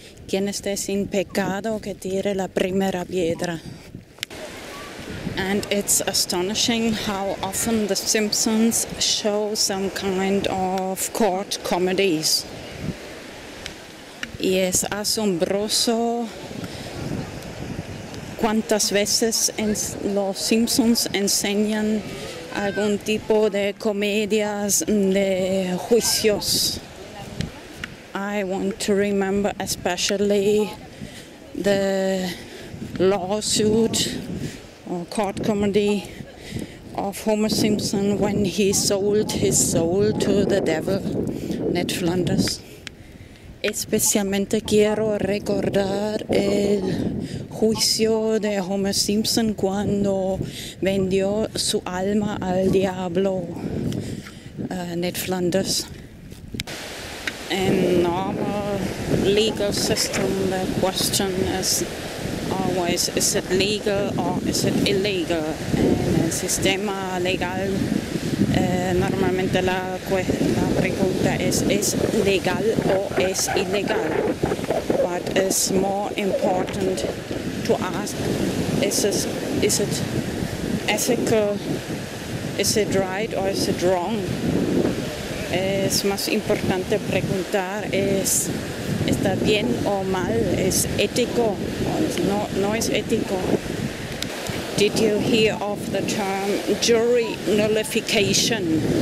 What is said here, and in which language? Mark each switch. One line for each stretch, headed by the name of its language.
Spanish: quien esté sin pecado que tire la primera piedra.
English: And it's astonishing how often The Simpsons show some kind of court comedies.
Spanish: Y es asombroso cuántas veces en los Simpsons enseñan algún tipo de comedias de juicios.
English: I want to remember especially the lawsuit or court comedy of Homer Simpson when he sold his soul to the devil, Ned Flanders.
Spanish: Especialmente quiero recordar el juicio de Homer Simpson cuando vendió su alma al diablo, Ned Flanders.
English: In normal legal system, the question is always, is it legal or is it illegal?
Spanish: En el sistema legal, normalmente la pregunta es legal o es ilegal?
English: But it's more important to ask, is it ethical? Is it right or is it wrong?
Spanish: Es más importante preguntar, ¿está bien o mal? ¿Es ético o no es ético?
English: Did you hear of the term jury nullification?